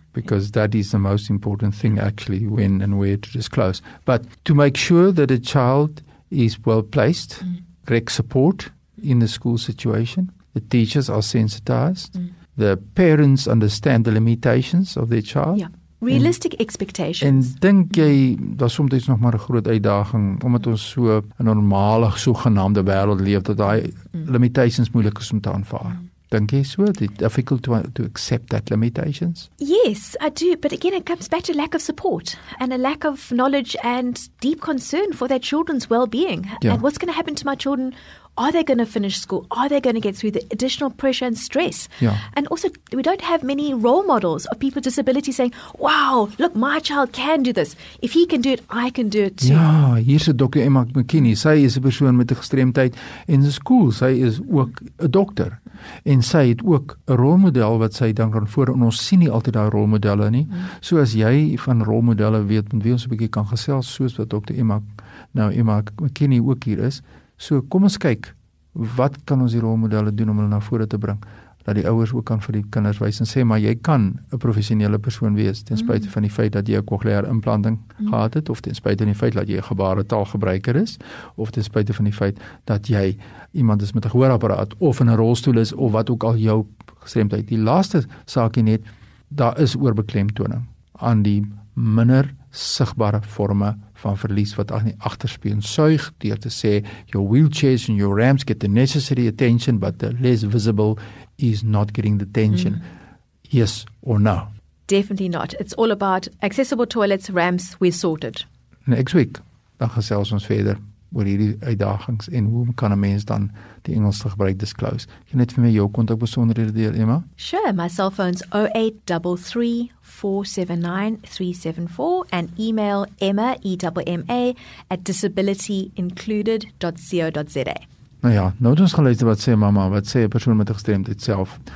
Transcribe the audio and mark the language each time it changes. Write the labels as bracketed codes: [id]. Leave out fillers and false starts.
[en] Because that is the most important thing, actually, when and where to disclose. But to make sure that a child is well-placed, correct support in the school situation, the teachers are sensitized. The parents understand the limitations of their child. Yeah. Realistic expectations. [af] En dink jy, daar is soms nog maar 'n groot uitdaging, omdat ons so 'n normale, sogenaamde wêreld leef, dat daai limitations moeilik is om te aanvaar. Dink jy so? [en] Difficult to accept that limitations? Yes, I do. But again, it comes back to lack of support and a lack of knowledge and deep concern for their children's well-being. Yeah. And what's going to happen to my children? Are they going to finish school? Are they going to get through the additional pressure and stress? Yeah. And also, we don't have many role models of people with disabilities saying, wow, look, my child can do this. If he can do it, I can do it too. [af] Ja, hier is Dr. Emma McKinney. Sy is 'n persoon met 'n gestremdheid in die skool. Sy is ook 'n dokter. En sy het ook 'n rolmodel wat sy dan kan voer. En ons sien nie altyd daai rolmodelle nie. Mm. So as jy van rolmodelle weet, met wie ons 'n bietjie kan gesels, soos wat Dr. Emma, nou Emma McKinney ook hier is, so, kom ons kyk, wat kan ons die rolmodelle doen om hulle na vore te bring, dat die ouers ook kan vir die kinders wys en sê, maar jy kan 'n professionele persoon wees, ten spyte van die feit dat jy 'n cochleaire implanting gehad het, of ten spyte van die feit dat jy 'n gebaretaalgebruiker is, of ten spyte van die feit dat jy iemand is met 'n gehoorapparaat, of in 'n rolstoel is, of wat ook al jou gestremdheid. Die laaste saakie net, daar is oorbeklemtoning aan die minder sigbare forme van verlies wat aan die agterspieën suig deur te sê [en] your wheelchairs and your ramps get the necessary attention but the less visible is not getting the attention. Yes or no? Definitely not. It's all about accessible toilets, ramps, we're sorted. [af] Next week, dan gesels ons verder oor hierdie uitdagings en hoe kan 'n mens dan die Engels te gebruik disclose. Jy net vir my jou kontakbesonderhede deur, Emma? [en] Sure, my cell phone's 0833-479-374 and email Emma, EMMA, at disabilityincluded.co.za. [af] Nou ja, nou het ons geluister wat sê mama, wat sê 'n persoon met 'n gestremdheid self.